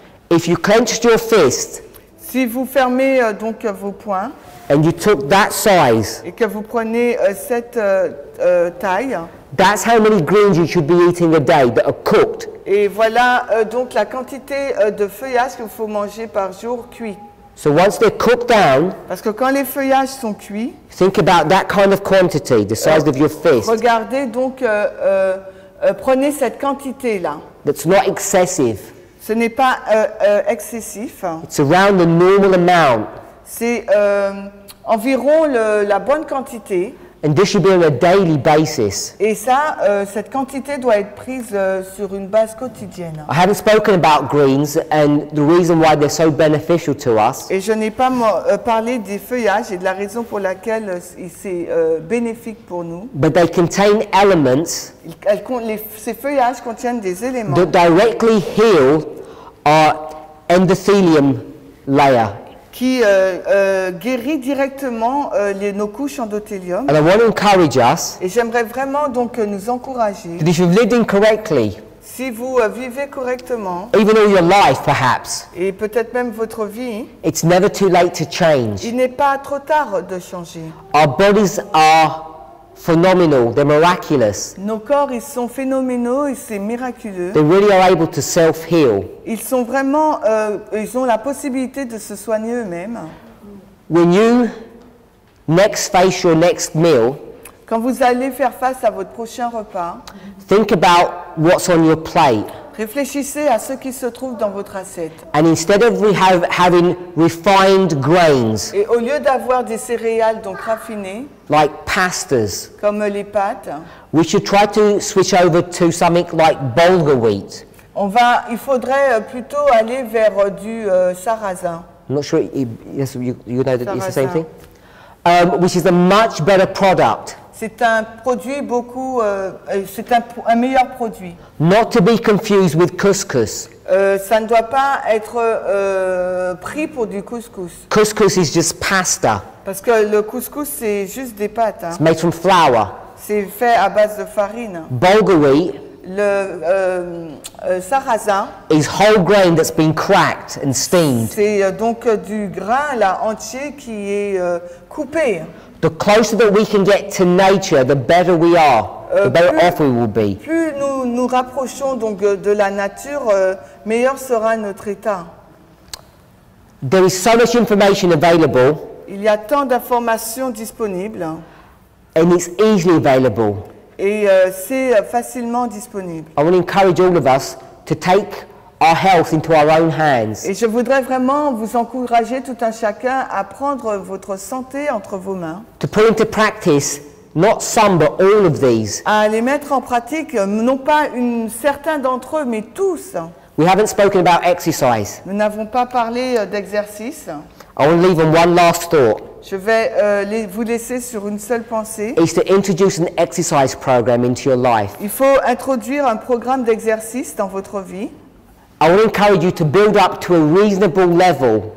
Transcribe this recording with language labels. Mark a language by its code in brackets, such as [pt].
[en] if you clenched your fist, [fr] si vous fermez donc vos poings, [en] and you took that size, [fr] et que vous prenez cette taille, [en] that's how many greens you should be eating a day that are cooked. [fr] Et voilà donc la quantité de feuillages qu'il faut manger par jour cuits. [en] So once they're cooked down, [fr] parce que quand les feuillages sont cuits, [en] think about that kind of quantity, the size of your fist. [fr] Regardez donc, prenez cette quantité là. [en] That's not excessive. [fr] Ce n'est pas excessif. [en] It's around the normal amount. [fr] C'est environ la bonne quantité. [en] And this should be on a daily basis. [fr] Et ça, cette quantité doit être prise sur une base quotidienne. [en] I haven't spoken about greens and the reason why they're so beneficial to us. [fr] Et je n'ai pas parlé des feuillages et de la raison pour laquelle c'est bénéfique pour nous. [en] But they contain elements. [fr] Ces feuillages contiennent des éléments. [en] That directly heal our endothelium layer. [fr] Qui guérit directement nos couches endothélium. [en] And I want to encourage us. [fr] Et j'aimerais vraiment donc nous encourager. [en] That if you're living correctly. [fr] Si vous vivez correctement. [en] Even all your life, perhaps. [fr] Et peut-être même votre vie. [en] It's never too late to change. [fr] Il n'est pas trop tard de changer. [en] Our bodies are phenomenal. They're miraculous. [fr] Nos corps, ils sont phénoménaux et c'est miraculeux. [en] They really are able to self-heal. [fr] Ils sont vraiment, ils ont la possibilité de se soigner eux-mêmes. [en] When you next face your next meal, [fr] Quand vous allez faire face à votre prochain repas, [en] think about what's on your plate. [fr] Réfléchissez à ce qui se trouve dans votre assiette. [en] And instead of having refined grains, [fr] et au lieu d'avoir des céréales donc raffinées, [en] like pastas, [fr] comme les pâtes, [en] we should try to switch over to something like bulgur wheat. [fr] Il faudrait plutôt aller vers du sarrasin. [en] I'm not sure. You know that it's the same thing. Which is a much better product. [fr] C'est un produit beaucoup. C'est un meilleur produit. [en] Not to be confused with couscous. [fr] Ça ne doit pas être pris pour du couscous. [en] Couscous is just pasta. [fr] Parce que le couscous c'est juste des pâtes. Hein. [en] It's made from flour. [fr] C'est fait à base de farine. [en] Bulgur wheat. [fr] Le sarrasin [en] is whole grain that's been cracked and steamed. [fr] C'est donc du grain là entier qui est coupé. [en] The closer that we can get to nature, the better we are, the better off we will be. [fr] Plus nous nous rapprochons donc de la nature, meilleur sera notre état. [en] There is so much information available. [fr] Il y a tant d'informations disponibles. [en] And it's easily available. [fr] Et c'est facilement disponible. [en] I would encourage all of us to take our health into our own hands. [fr] Et je voudrais vraiment vous encourager tout un chacun à prendre votre santé entre vos mains. [en] To put into practice not some but all of these. [fr] À les mettre en pratique, non pas certains d'entre eux, mais tous. [en] We haven't spoken about exercise. [fr] Nous n'avons pas parlé d'exercice. [en] I want to leave on one last thought. [fr] Je vais vous laisser sur une seule pensée. [en] Is to introduce an exercise program into your life. [fr] Il faut introduire un programme d'exercice dans votre vie. [en] I will encourage you to build up to a reasonable level.